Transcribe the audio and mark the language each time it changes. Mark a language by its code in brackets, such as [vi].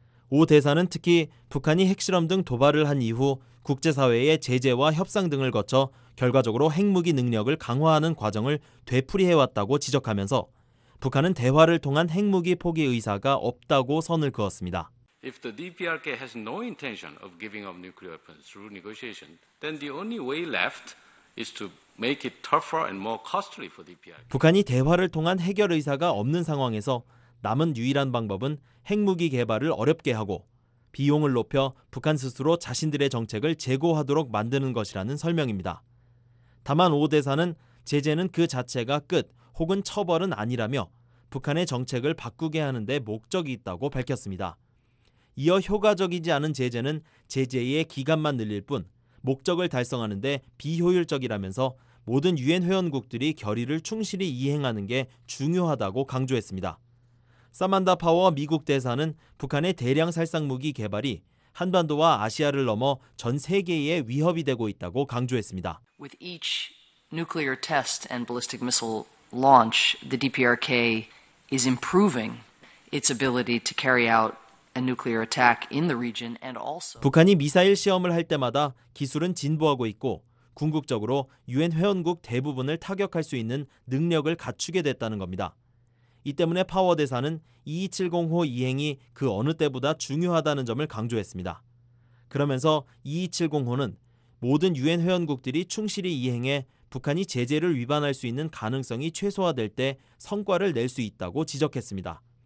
[ko] 오 대사는 특히 북한이 핵실험 등 도발을 한 이후 국제사회의 제재와 협상 등을 거쳐 결과적으로 핵무기 능력을 강화하는 과정을 되풀이해왔다고 지적하면서 북한은 대화를 통한 핵무기 포기 의사가 없다고 선을 그었습니다. [en] If the DPRK has no intention of giving up nuclear weapons through negotiation, then the only way left is to make it tougher and more costly for DPRK. [ko] 북한이 대화를 통한 해결 의사가 없는 상황에서 남은 유일한 방법은 핵무기 개발을 어렵게 하고 비용을 높여 북한 스스로 자신들의 정책을 재고하도록 만드는 것이라는 설명입니다. 다만 오 대사는 제재는 그 자체가 끝 혹은 처벌은 아니라며 북한의 정책을 바꾸게 하는 데 목적이 있다고 밝혔습니다. 이어 효과적이지 않은 제재는 제재의 기간만 늘릴 뿐 목적을 달성하는 데 비효율적이라면서 모든 유엔 회원국들이 결의를 충실히 이행하는 게 중요하다고 강조했습니다. 사만다 파워 미국 대사는 북한의 대량 살상무기 개발이 한반도와 아시아를 넘어 전 세계에 위협이 되고 있다고 강조했습니다. [en] With each nuclear test and ballistic missile launch, the DPRK is improving its ability to carry out a nuclear attack in the region and also [ko] 북한이 미사일 시험을 할 때마다 기술은 진보하고 있고 궁극적으로 유엔 회원국 대부분을 타격할 수 있는 능력을 갖추게 됐다는 겁니다. 이 때문에 파워 대사는 2270호 이행이 그 어느 때보다 중요하다는 점을 강조했습니다. 그러면서 2270호는 모든 유엔 회원국들이 충실히 이행해 북한이 제재를 위반할 수 있는 가능성이 최소화될 때 성과를 낼 수 있다고 지적했습니다.